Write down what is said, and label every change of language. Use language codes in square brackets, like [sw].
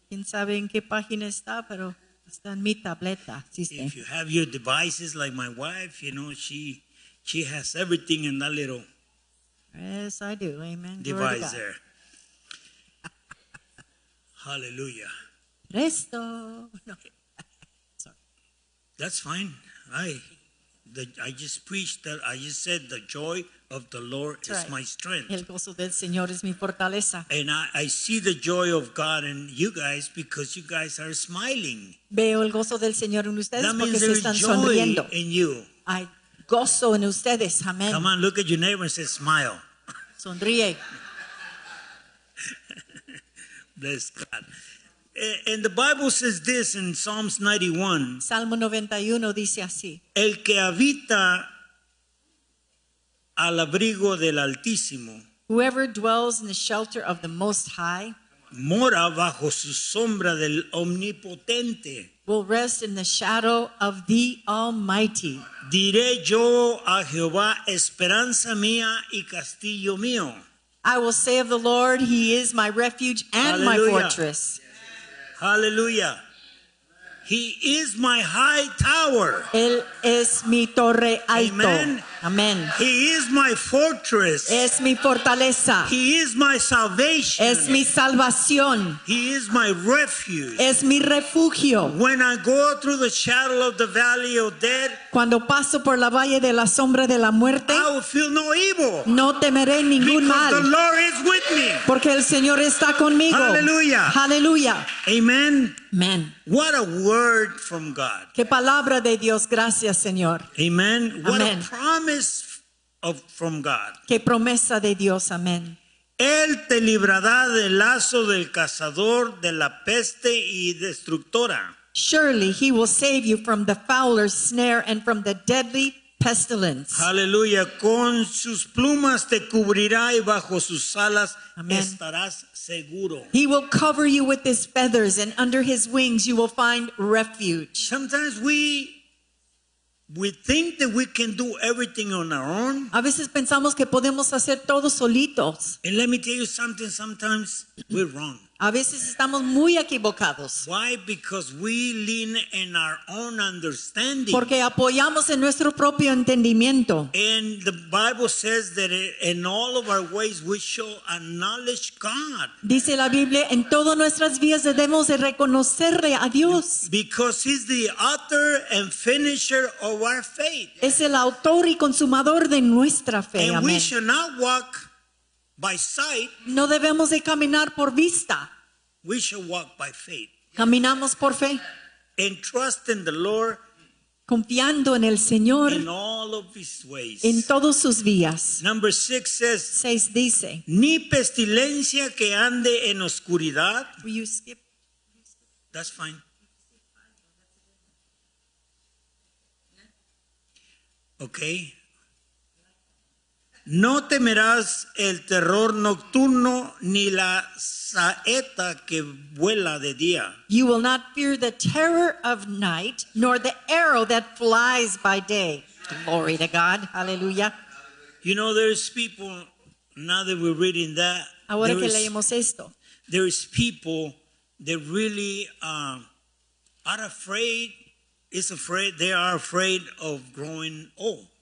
[es] ¿Quién sabe en qué página está, pero está en mi tableta? [en] If you have your devices like my wife, you know, she has everything in that little yes, I do. Amen. Device there. Hallelujah. Presto. No. Sorry. That's fine. I just preached that. I just said the joy of the Lord is my strength. [es] El gozo del Señor es mi fortaleza. [en] And I see the joy of God in you guys because you guys are smiling. [es] Veo el gozo del Señor en ustedes porque se están sonriendo. [en] That means there is joy in you. [es] Hay gozo en ustedes. [en] Amen. Come on, look at your neighbor and say, smile. [es] Sonríe. [en] Bless God. And the Bible says this in Psalms 91. [es] Salmo 91 dice así. El que habita al abrigo del Altísimo. [en] Whoever dwells in the shelter of the Most High. [es] Mora bajo su sombra del Omnipotente. [en] Will rest in the shadow of the Almighty. [es] Diré yo a Jehová, esperanza mía y castillo mío. [en] I will say of the Lord, he is my refuge and Hallelujah. My fortress. Hallelujah. He is my high tower. [es] Él es mi torre alto. [en] Amen. Amen. He is my fortress. [es] Es mi fortaleza. [en] He is my salvation. [es] Es mi salvación. [en] He is my refuge. [es] Es mi refugio. [en] When I go through the shadow of the valley of death, [es] cuando paso por la valle de la sombra de la muerte, [en] I will feel no evil. [es] No temeré ningún [en] because [es] mal. [en] The Lord is with me. [es] Porque el Señor está conmigo. Hallelujah. Hallelujah. Amen. Amen. [en] What a word from God. [es] Qué palabra de Dios, gracias, Señor. [en] Amen. What Amen. A promise of from God. [es] Qué promesa de Dios, amén. Él te librará del lazo del cazador, de la peste y destructora. [en] Surely he will save you from the fowler's snare and from the deadly pestilence. Hallelujah. [es] Con sus plumas te cubrirá y bajo sus alas Amen. Estarás seguro. [en] He will cover you with his feathers and under his wings you will find refuge. Sometimes we think that we can do everything on our own. [es] A veces pensamos que podemos hacer todo solitos. [en] And let me tell you something, sometimes we're wrong. [es] A veces estamos muy equivocados. [en] Why? Because we lean in our own understanding. [es] Porque apoyamos en nuestro propio entendimiento. [en] And the Bible says that in all of our ways we shall acknowledge God. [es] Dice la Biblia, en todas nuestras vías debemos de reconocerle a Dios. [en] Because he's the author and finisher of our faith. [es] Es el autor y consumador de nuestra fe. [en] And Amen. We shall not walk by sight. [es] No debemos de caminar por vista. [en] We shall walk by faith. [es] Caminamos por fe. [en] And trust in the Lord. [es] Confiando en el Señor. [en] In all of his ways. [es] En todos sus vías. [en] Number 6 says. [es] 6 dice. Ni pestilencia que ande en oscuridad. [en] Will you skip? That's fine. Okay. [es] No temerás el terror nocturno ni la saeta que vuela de día. [en] You will not fear the terror of night nor the arrow that flies by day. Glory to God. Hallelujah. You know, there's people, now that we're reading that, [es] ahora que leemos esto. [en] There's people that really are afraid, they are afraid of growing old.